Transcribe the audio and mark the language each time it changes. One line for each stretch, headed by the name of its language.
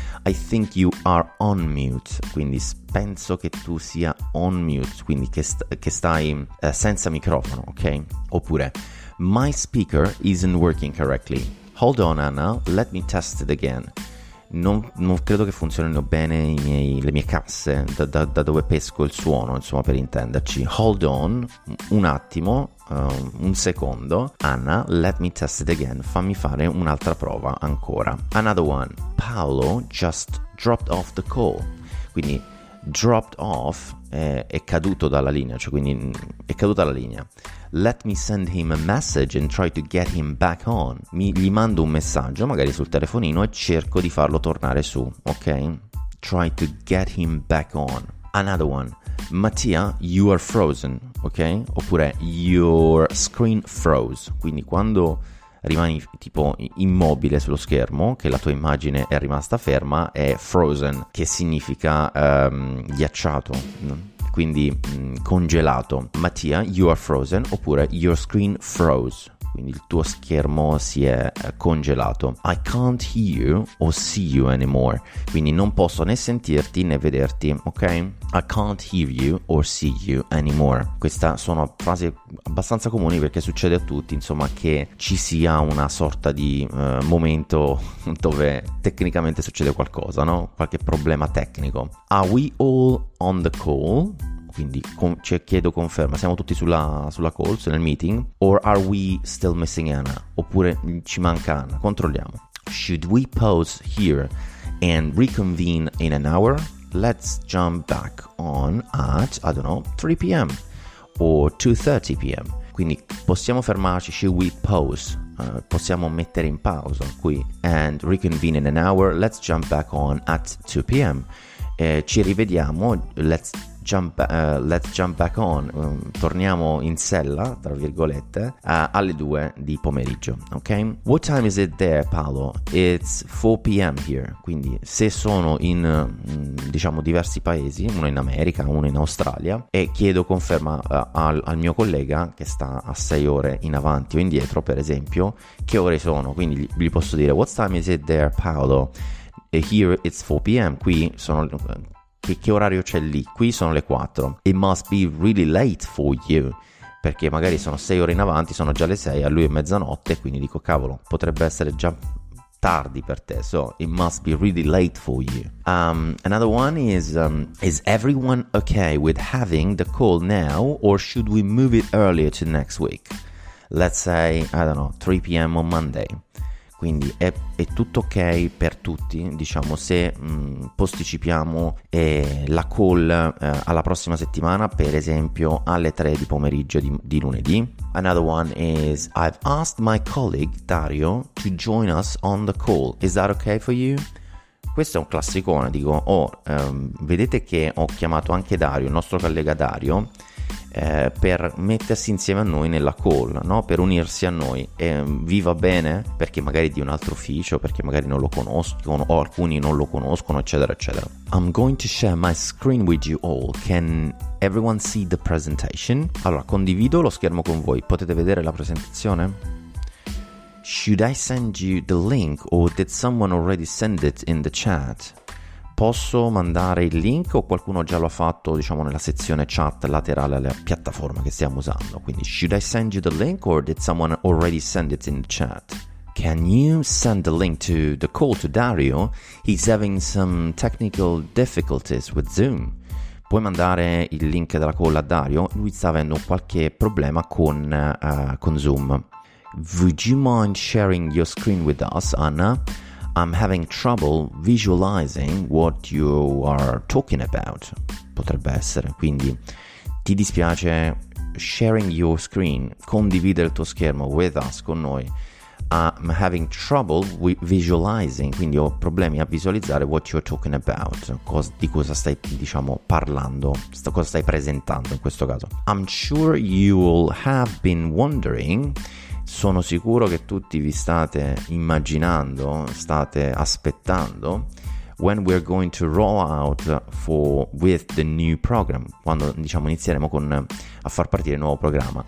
English: I think you are on mute,
Italian: quindi penso che tu sia on mute, quindi che stai senza microfono, ok?
English: Oppure: My speaker isn't working correctly. Hold on Anna, let me test it again.
Italian: Non credo che funzionino bene le mie casse, da dove pesco il suono, insomma, per intenderci.
English: Hold on,
Italian: un attimo, un secondo.
English: Anna, let me test it again.
Italian: Fammi fare un'altra prova ancora.
English: Another one. Paolo just dropped off the call.
Italian: Quindi dropped off è caduto dalla linea, cioè quindi è caduta la linea.
English: Let me send him a message and try to get him back on.
Italian: Gli mando un messaggio, magari sul telefonino, e cerco di farlo tornare su, ok?
English: Try to get him back on. Another one. Mattia, you are frozen, ok? Oppure your screen froze.
Italian: Quindi quando rimani tipo immobile sullo schermo, che la tua immagine è rimasta ferma, è frozen, che significa ghiacciato, no? Quindi congelato.
English: Mattia, you are frozen. Oppure your screen froze.
Italian: quindi il tuo schermo si è congelato.
English: I can't hear you or see you anymore,
Italian: quindi non posso né sentirti né vederti, ok?
English: I can't hear you or see you anymore.
Italian: Queste sono frasi abbastanza comuni, perché succede a tutti, insomma, che ci sia una sorta di momento dove tecnicamente succede qualcosa, no? Qualche problema tecnico.
English: Are we all on the call?
Italian: Quindi chiedo conferma, siamo tutti sulla call, nel meeting?
English: Or are we still missing Anna?
Italian: Oppure ci manca Anna? Controlliamo.
English: Should we pause here and reconvene in an hour? Let's jump back on at, I don't know, 3 p.m. or 2:30 p.m.
Italian: Quindi possiamo fermarci,
English: should we pause?
Italian: Possiamo mettere in pausa qui.
English: And reconvene in an hour, let's jump back on at 2 p.m.
Italian: Ci rivediamo,
English: let's jump back on,
Italian: torniamo in sella, tra virgolette, alle 2 di pomeriggio, ok?
English: What time is it there, Paolo? It's 4 p.m. here.
Italian: Quindi se sono in, diciamo, diversi paesi, uno in America, uno in Australia, e chiedo conferma al mio collega che sta a 6 ore in avanti o indietro, per esempio, che ore sono? Quindi gli posso dire,
English: what time is it there, Paolo? Here it's 4 p.m.
Italian: Qui sono... Che orario c'è lì? Qui sono le 4.
English: It must be really late for you.
Italian: Perché magari sono 6 ore in avanti, sono già le 6, a lui è mezzanotte, quindi dico, cavolo, potrebbe essere già tardi per te.
English: So, it must be really late for you. Another one is everyone okay with having the call now, or should we move it earlier to next week? Let's say, I don't know, 3 p.m. on Monday.
Italian: Quindi è tutto ok per tutti, diciamo, se posticipiamo la call alla prossima settimana, per esempio alle 3 di pomeriggio di lunedì.
English: Another one is, I've asked my colleague Dario to join us on the call, is that okay for you?
Italian: Questo è un classicone, dico, vedete che ho chiamato anche Dario, il nostro collega Dario, per mettersi insieme a noi nella call, no? Per unirsi a noi. Vi va bene? Perché magari di un altro ufficio, perché magari non lo conoscono, o alcuni non lo conoscono, eccetera, eccetera.
English: I'm going to share my screen with you all. Can everyone see the presentation?
Italian: Allora, condivido lo schermo con voi. Potete vedere la presentazione?
English: Should I send you the link, or did someone already send it in the chat?
Italian: Posso mandare il link, o qualcuno già lo ha fatto, diciamo, nella sezione chat laterale alla piattaforma che stiamo usando?
English: Quindi, should I send you the link, or did someone already send it in the chat? Can you send the link to the call to Dario? He's having some technical difficulties with Zoom.
Italian: Puoi mandare il link della call a Dario? Lui sta avendo qualche problema con Zoom.
English: Would you mind sharing your screen with us, Anna? I'm having trouble visualizing what you are talking about.
Italian: Potrebbe essere, quindi, ti dispiace,
English: sharing your screen,
Italian: condividere il tuo schermo
English: with us,
Italian: con noi.
English: I'm having trouble visualizing,
Italian: quindi ho problemi a visualizzare
English: what you're talking about,
Italian: di cosa stai, diciamo, parlando, cosa stai presentando in questo caso.
English: I'm sure you'll have been wondering.
Italian: Sono sicuro che tutti vi state immaginando, state aspettando,
English: when we're going to roll out with the new program,
Italian: quando, diciamo, inizieremo a far partire il nuovo programma.